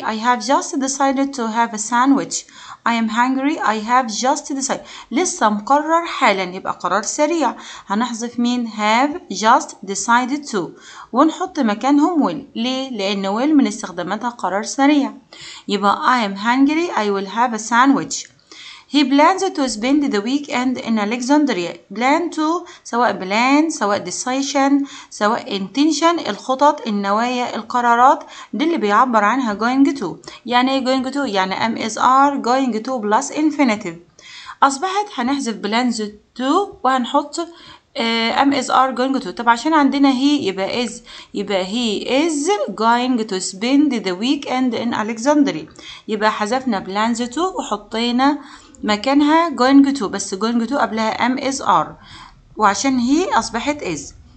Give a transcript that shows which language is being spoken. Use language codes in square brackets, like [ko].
[en] I have just decided to have a sandwich. I am hungry. I have just decided. [ar] لسه مقرر حالا، يبقى قرار سريع. هنحذف مين؟ [en] have just decided to. [ar] ونحط مكانهم will. ليه؟ لأن will من استخداماتها قرار سريع. يبقى [en] I am hungry. I will have a sandwich. He plans to spend the weekend in Alexandria. [ar] Plan to سواء plan سواء decision سواء intention، الخطط النوايا القرارات، دي اللي بيعبر عنها going to. يعني ايه going to؟ يعني [en] am is are going to plus infinitive. [ar] اصبحت هنحذف plans to وهنحط am is are going to، طب عشان عندنا he يبقى is، يبقى [en] he is going to spend the weekend in Alexandria، [ar] يبقى حذفنا plans to وحطينا مكانها going to، بس going to قبلها am is are، وعشان هي أصبحت is.